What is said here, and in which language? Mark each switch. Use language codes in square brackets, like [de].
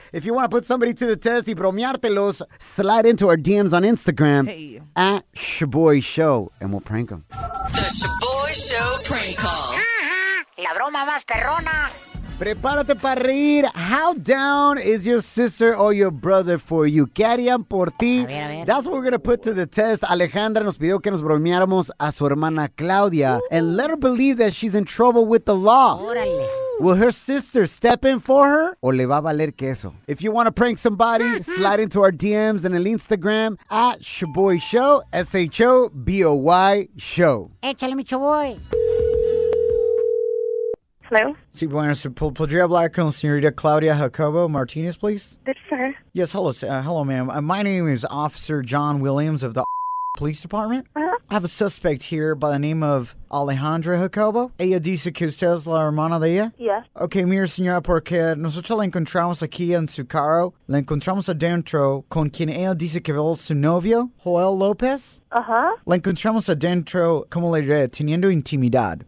[en] If you want to put somebody to the test [es] y bromeártelos, [en] slide into our DMs on Instagram at Shaboy Show, and we'll prank them. The Shaboy Show prank call. [es] La la broma más perrona. Prepárate para reír. [en] How down is your sister or your brother for you? [es] ¿Qué harían por ti? A ver, a ver. [en] That's what we're going to put to the test. [es] Alejandra nos pidió que nos bromeáramos a su hermana Claudia. Ooh. [en] And let her believe that she's in trouble with the law. [es] Órale. [en] Will her sister step in for her? [es] ¿O le va a valer queso? [en] If you want to prank somebody, slide into our DMs and an Instagram at Shaboy Show. S-H-O-B-O-Y Show. [es] Échale, mi Shaboy. [en] Hello? [es] Sí, buenas. ¿Podría hablar con señorita Claudia Jacobo Martinez, please? [en] Yes, sir. Yes, hello, hello, ma'am. My name is Officer John Williams of the Police Department. Uh-huh. I have a suspect here by the name of Alejandra Jacobo. [es] ¿Ella dice que usted es la hermana de ella? [en] Yes. [es] Okay, mira, señora, porque nosotros la encontramos aquí en su carro. La encontramos adentro con quien ella dice que es su novio, Joel López. Uh-huh. La encontramos adentro, como le diré, teniendo intimidad.